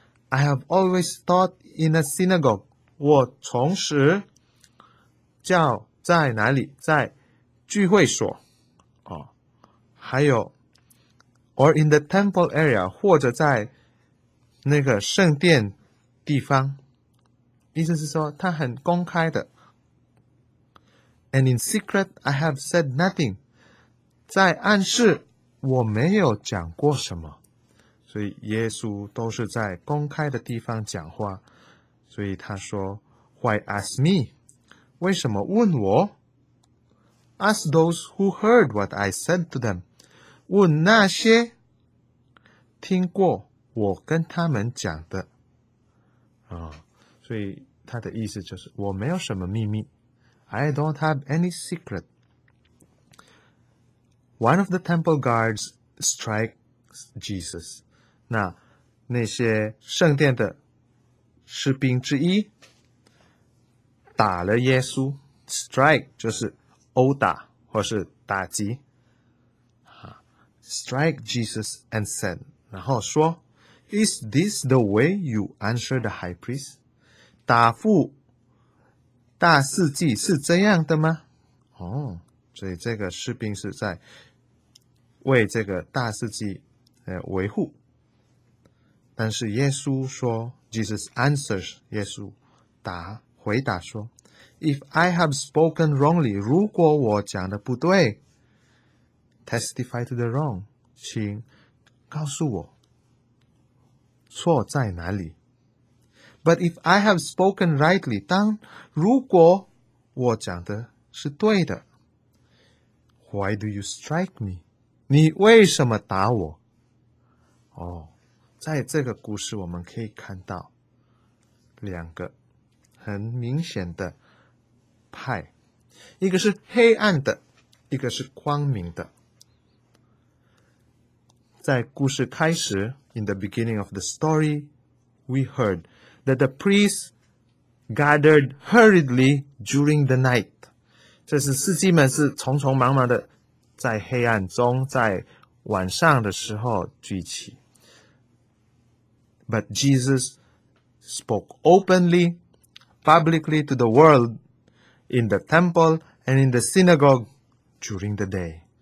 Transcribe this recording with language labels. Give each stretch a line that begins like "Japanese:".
English: I have always taught in a synagogue，
Chinese: 我从时教在哪里，在聚会所、啊、还有
English: or in the temple area，
Chinese: 或者在那个圣殿地方，意思是说他很公开的。
English: And in secret I have said nothing，
Chinese: 在暗室我没有讲过什么。所以耶稣都是在公开的地方讲话，所以他说
English: Why ask me，
Chinese: 为什么问我？
English: Ask those who heard what I said to them，
Chinese: 问那些听过我跟他们讲的。所以他的意思就是我没有什么秘密。
English: I don't have any secret。 One of the temple guards strikes Jesus，
Chinese: 那些圣殿的士兵之一打了耶稣。 Strike 就是殴打或是打击。
English: Strike Jesus and said，
Chinese: 然后说
English: Is this the way you answer the high priest？
Chinese: 答复大司祭是这样的吗？哦，所以这个士兵是在为这个大司祭维护。但是耶稣说 ，
English: Jesus answers，
Chinese: 耶稣回答说 ，
English: If I have spoken wrongly，
Chinese: 如果我讲的不对 ，
English: testify to the wrong，
Chinese: 请告诉我。错在哪里？
English: But if I have spoken rightly，
Chinese: 当如果我讲的是对的，
English: Why do you strike me？
Chinese: 你为什么打我？哦，在这个故事我们可以看到两个很明显的派，一个是黑暗的，一个是光明的。在故事开始
English: ，in the beginning of the story， we heard that the priests gathered hurriedly during the night。
Chinese: 这是司祭们是匆匆忙忙的，在黑暗中，在晚上的时候聚集。
English: But Jesus spoke openly, publicly to the world in the temple and in the synagogue during the day。